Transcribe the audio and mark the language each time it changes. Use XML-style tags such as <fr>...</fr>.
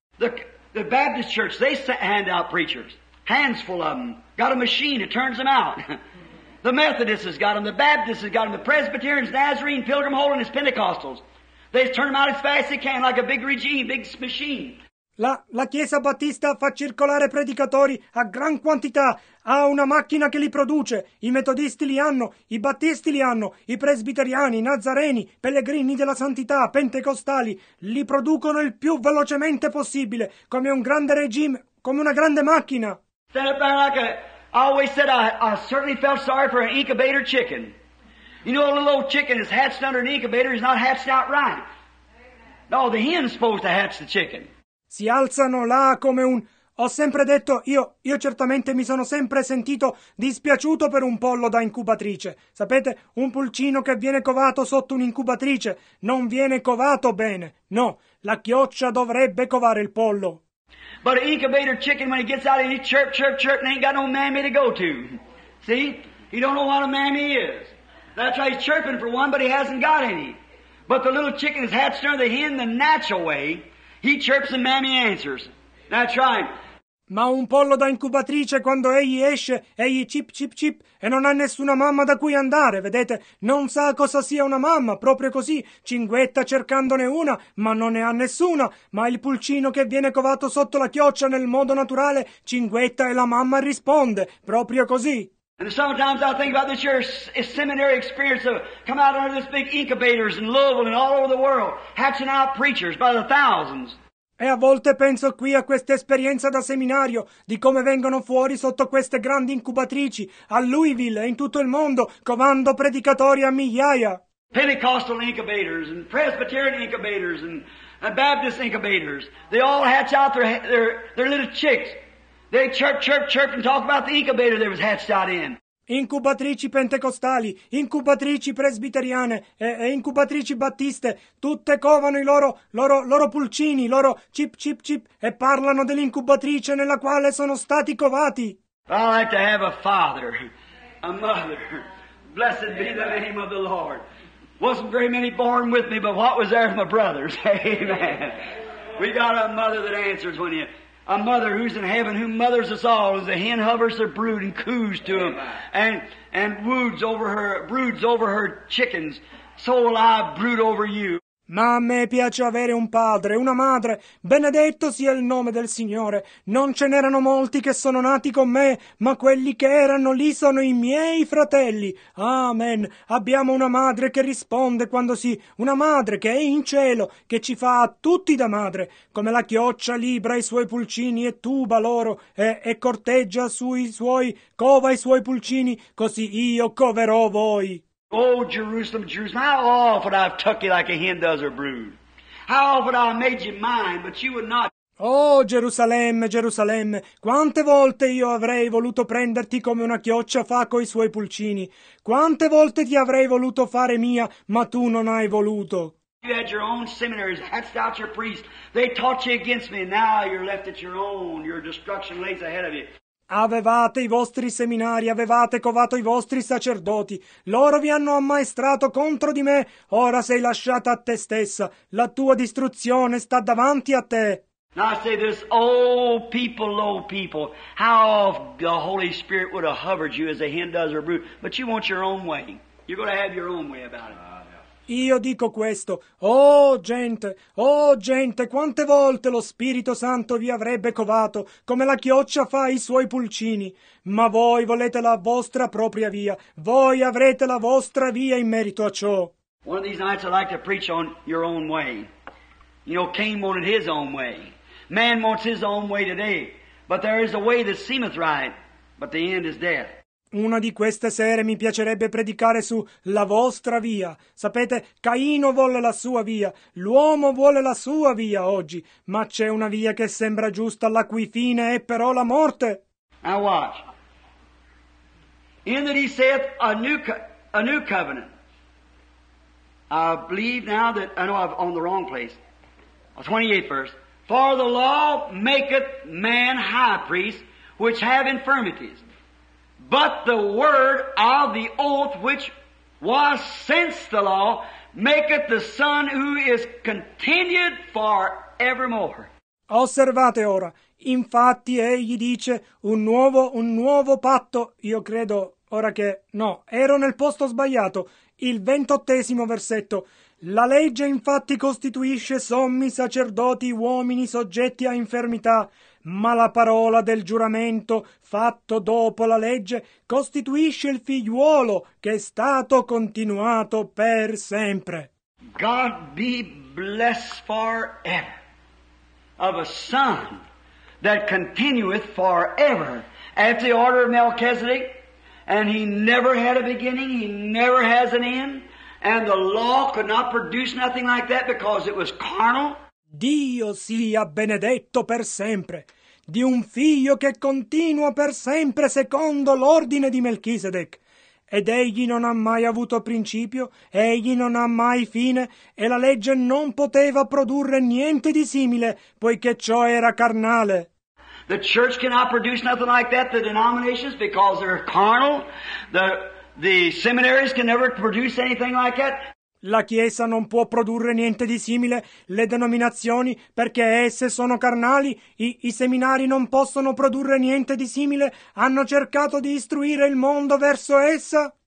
<en>The Baptist Church, they hand out preachers. Hands full of them. Got a machine, it turns them out. The Methodists has got them. The Baptists has got them. The Presbyterians, Nazarene, Pilgrim, Holiness, Pentecostals. They turn them out as fast as they can, like a big regime, big machine.</en> <it>La Chiesa Battista fa circolare predicatori a gran quantità. Ha una macchina che li produce. I metodisti li hanno, i battisti li hanno, i presbiteriani, i nazareni, pellegrini della santità, pentecostali, li producono il più velocemente possibile, come un grande regime, come una grande macchina.</it> <en>Stand up there like a, I always said I certainly felt sorry for an incubator chicken. You know, a little old chicken is hatched under an incubator, he's not hatched out right. No, the hen's supposed to hatch the chicken.</en> <it>Si alzano là come un... Ho sempre detto, io certamente mi sono sempre sentito dispiaciuto per un pollo da incubatrice. Sapete, un pulcino che viene covato sotto un'incubatrice non viene covato bene. No, la chioccia dovrebbe covare il pollo.</it> <en>But an incubator chicken, when he gets out, he chirp, chirp, chirp, and ain't got no mammy to go to. See? He don't know what a mammy is. That's why he's chirping for one, but he hasn't got any. But the little chicken is hatched under the hen the natural way. He chirps and mammy answers. That's right.</en> <it>Ma un pollo da incubatrice, quando egli esce, egli chip chip chip, e non ha nessuna mamma da cui andare, vedete? Non sa cosa sia una mamma, proprio così, cinguetta cercandone una, ma non ne ha nessuna. Ma il pulcino che viene covato sotto la chioccia nel modo naturale, cinguetta e la mamma risponde, proprio così.</it> <en>And sometimes I think about this year, a seminary experience of come out under this big incubators in Louisville and all over the world, hatching out preachers by the thousands.</en> <it>E a volte penso qui a questa esperienza da seminario, di come vengono fuori sotto queste grandi incubatrici, a Louisville e in tutto il mondo, covando predicatori a migliaia.</it> <en>Pentecostal incubators and Presbyterian incubators and Baptist incubators. They all hatch out their little chicks. They chirp and talk about the incubator they was hatched out in.</en> <it>Incubatrici pentecostali, incubatrici presbiteriane e incubatrici battiste, tutte covano i loro pulcini, loro chip chip chip e parlano dell'incubatrice nella quale sono stati covati.</it> <en>I like to have a father, a mother. Blessed be the name of the Lord. Wasn't very many born with me, but what was there for my brothers? Amen. We got a mother that answers when you... A mother who's in heaven, who mothers us all, as the hen hovers her brood and coos to them, and woods over her, broods over her chickens, so will I brood over you.</en> <it>Ma a me piace avere un padre, una madre, benedetto sia il nome del Signore. Non ce n'erano molti che sono nati con me, ma quelli che erano lì sono i miei fratelli. Amen. Abbiamo una madre che risponde quando sì, una madre che è in cielo, che ci fa a tutti da madre, come la chioccia libra i suoi pulcini e tuba loro, e corteggia sui suoi, cova i suoi pulcini, così io coverò voi.</it> <en>Oh, Jerusalem, Jerusalem, how often I've tucked you like a hen does her brood. How often I've made you mine, but you would not.</en> <it>Oh, Gerusalemme, Gerusalemme, quante volte io avrei voluto prenderti come una chioccia fa coi suoi pulcini. Quante volte ti avrei voluto fare mia, ma tu non hai voluto.</it> <en>You had your own seminaries, hatched out your priests. They taught you against me, and now you're left at your own. Your destruction lays ahead of you.</en> <it>Avevate i vostri seminari, avevate covato i vostri sacerdoti. Loro vi hanno ammaestrato contro di me. Ora sei lasciata a te stessa. La tua distruzione sta davanti a te.</it> <en>Now I say this, oh people, low people, how the Holy Spirit would have hovered you as a hen does her brood. But you want your own way. You're going to have your own way about it.</en> <it>Io dico questo, oh gente, quante volte lo Spirito Santo vi avrebbe covato, come la chioccia fa i suoi pulcini, ma voi volete la vostra propria via, voi avrete la vostra via in merito a ciò.</it> <en>One of these nights I'd like to preach on your own way. You know, Cain wanted his own way. Man wants his own way today, but there is a way that seemeth right, but the end is death.</en> <it>Una di queste sere mi piacerebbe predicare su la vostra via. Sapete, Caino vuole la sua via, l'uomo vuole la sua via oggi, ma c'è una via che sembra giusta, la cui fine è però la morte.</it> <en>Now watch. In that he saith a new covenant. I believe now that, I know I'm on the wrong place. 28 verse. For the law maketh man high priest, which have infirmities. But the word of the oath which was since the law maketh the son who is continued forevermore.</en> <it>Osservate ora, infatti egli dice un nuovo patto, io credo ora che no, ero nel posto sbagliato, il 28 versetto. La legge infatti costituisce sommi sacerdoti uomini soggetti a infermità, ma la parola del giuramento fatto dopo la legge costituisce il figliuolo che è stato continuato per sempre.</it> <en>God be blessed forever of a son that continueth forever at the order of Melchizedek, and he never had a beginning, he never has an end. And the law could not produce nothing like that because it was carnal.</en> <it>Dio sia benedetto per sempre, di un figlio che continua per sempre secondo l'ordine di Melchisedec. Ed egli non ha mai avuto principio, egli non ha mai fine, e la legge non poteva produrre niente di simile, poiché ciò era carnale.</it> <en>The church cannot produce nothing like that, the denominations, because they're carnal. The seminaries can never produce anything like that.</en> <it>La Chiesa non può produrre niente di simile, le denominazioni, perché esse sono carnali, i seminari non possono produrre niente di simile, hanno cercato di istruire il mondo verso essa.</it>